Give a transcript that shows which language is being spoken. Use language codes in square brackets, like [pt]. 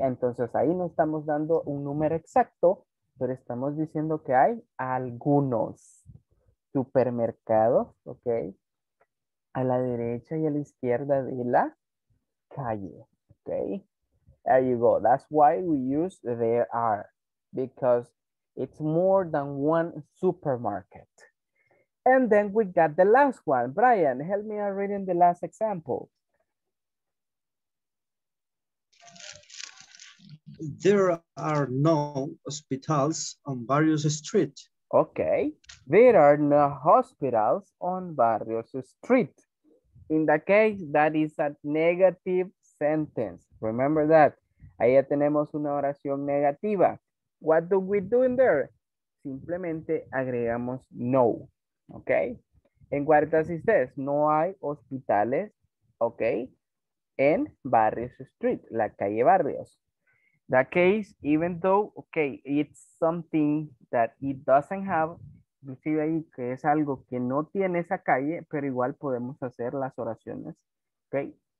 [es] Entonces ahí no estamos dando un número exacto, pero estamos diciendo que hay algunos supermercados, okay? A la derecha y a la izquierda de la calle, okay? [en] There you go, that's why we use there are, because it's more than one supermarket. And then we got the last one. Brian, help me out reading the last example. There are no hospitals on Barrios Street. Okay, there are no hospitals on Barrios Street. In that case, that is a negative sentence. Remember that. [es] Ahí ya tenemos una oración negativa. [en] What do we do in there? [es] Simplemente agregamos no. [en] Okay. [es] En cuartas y seis, no hay hospitales. Okay. En Barrios Street, la calle Barrios. [en] That case, even though, okay, it's something that it doesn't have, [es] inclusive ahí, que es algo que no tiene esa calle, pero igual podemos hacer las oraciones, ¿okay?